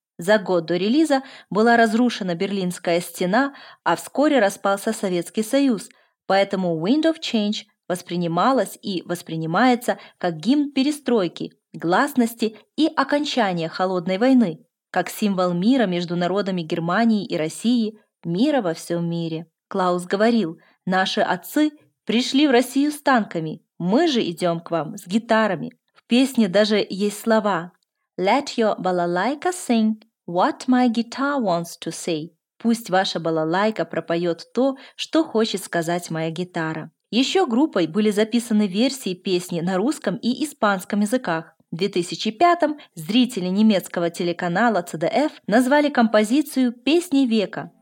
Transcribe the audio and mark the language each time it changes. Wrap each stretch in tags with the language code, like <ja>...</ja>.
<ru>За год до релиза была разрушена Берлинская стена, а вскоре распался Советский Союз, поэтому «Wind of Change» воспринималась и воспринимается как гимн перестройки, гласности и окончания Холодной войны, как символ мира между народами Германии и России, мира во всем мире. Клаус говорил: «Наши отцы пришли в Россию с танками, мы же идем к вам с гитарами». В песне даже есть слова</ru> <en>«Let your balalaika sing what my guitar wants to say».</en> <ru>«Пусть ваша балалайка пропоет то, что хочет сказать моя гитара». Еще группой были записаны версии песни на русском и испанском языках. В 2005-м зрители немецкого телеканала CDF назвали композицию «Песней века».</ru>